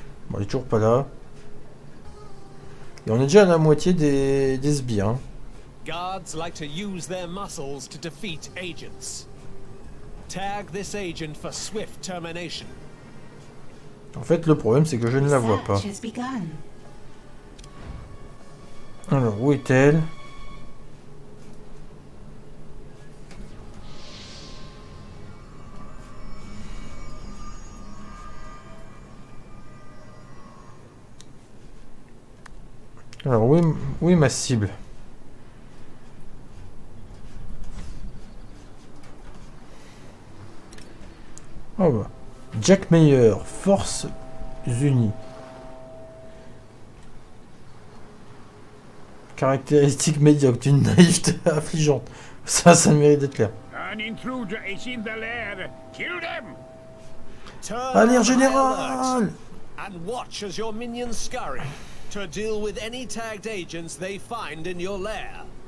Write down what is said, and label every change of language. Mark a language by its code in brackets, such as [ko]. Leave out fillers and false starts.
[fr] Bon, elle est toujours pas là. Et on est déjà à la moitié des sbires. [en] Guards like to use their muscles to defeat agents. Tag this agent for swift termination. [fr] En fait, le problème, c'est que je ne la vois pas. Alors, où est-elle? Alors, où est ma cible? Oh bah. Jack Meyer, Forces Unies. Caractéristique médiocre d'une naïveté affligeante. Ça mérite d'être clair. [en] An intruder is in the lair. Kill them. [fr] Allez, général. [en] And watch as your minions scurry to deal with any tagged agents they find in your lair.